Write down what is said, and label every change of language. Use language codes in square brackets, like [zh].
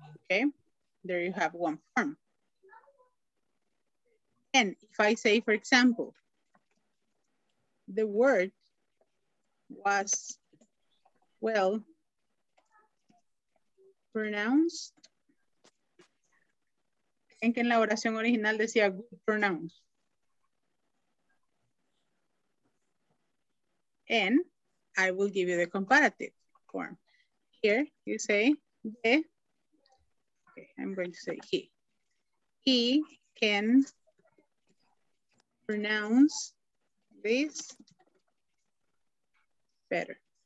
[en] Okay, there you have one form. And if I say, for example, the word was well pronounced. [es] ¿En que en la oración original decía good pronounced? [en] And I will give you the comparative form. Here you say the, okay, I'm going to say he can pronounce this better.